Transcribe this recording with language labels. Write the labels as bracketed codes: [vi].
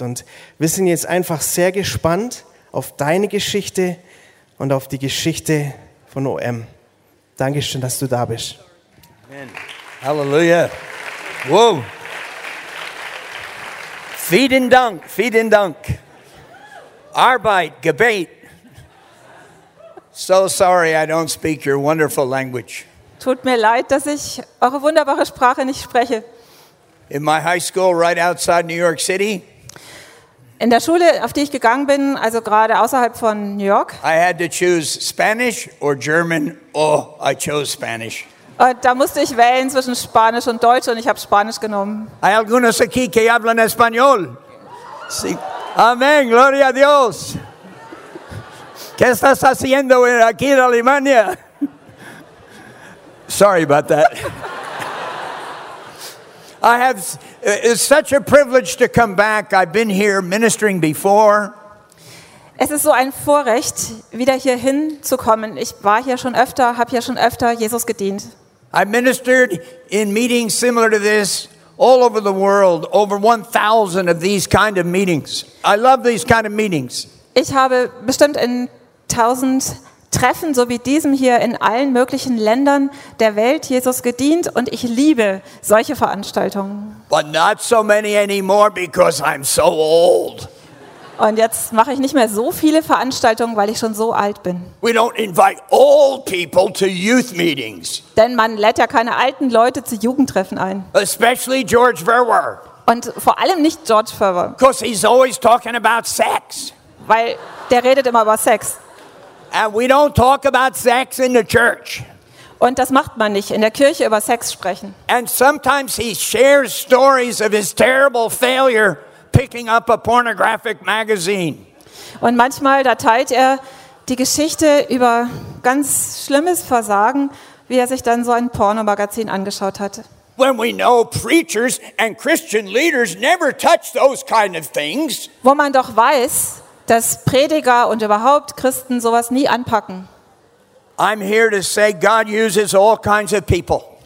[de] Und wir sind jetzt einfach sehr gespannt auf deine Geschichte und auf die Geschichte von OM. Dankeschön, dass du da bist. Amen. Halleluja. Wow. Vielen Dank, vielen Dank. Arbeit, Gebet. [en] So sorry, I don't speak your wonderful language. [de] Tut mir leid, dass ich eure wunderbare Sprache nicht spreche. [en] In my high school right outside New York City. [de] In der Schule, auf die ich gegangen bin, also gerade außerhalb von New York. [en] I had to choose Spanish or German. Oh, I chose Spanish. [de] Da musste ich wählen zwischen Spanisch und Deutsch, und ich habe Spanisch genommen. [es] Hay algunos aquí que hablan español. Sí. Amén, gloria a Dios. ¿Qué estás haciendo aquí en Alemania? [en] Sorry about that. I have, it's such a privilege to come back. I've been here ministering before. [de] Es ist so ein Vorrecht, wieder hier hinzukommen. Ich war hier schon öfter, habe hier schon öfter Jesus gedient. [en] I ministered in meetings similar to this all over the world, over 1,000 of these kind of meetings. I love these kind of meetings. [de] Ich habe bestimmt in 1,000 Treffen, so wie diesem hier, in allen möglichen Ländern der Welt Jesus gedient, und ich liebe solche Veranstaltungen. [en] But not so many anymore, because I'm so old. [de] Und jetzt mache ich nicht mehr so viele Veranstaltungen, weil ich schon so alt bin. [en] We don't invite old people to youth meetings. [de] Denn man lädt ja keine alten Leute zu Jugendtreffen ein. [en] Especially George Fervor. [de] Und vor allem nicht George Fervor. [en] Because he's always talking about sex. [de] Weil der redet immer über Sex. [en] And we don't talk about sex in the church. [de] Und das macht man nicht, in der Kirche über Sex sprechen. [en] And sometimes he shares stories of his terrible failure picking up a pornographic magazine. [de] Und manchmal, da teilt er die Geschichte über ganz schlimmes Versagen, wie er sich dann so ein Pornomagazin angeschaut hat. [en] When we know preachers and Christian leaders never touch those kind of things. [de] Wo man doch weiß, dass Prediger und überhaupt Christen sowas nie anpacken. [en] I'm here to say God uses all kinds of people.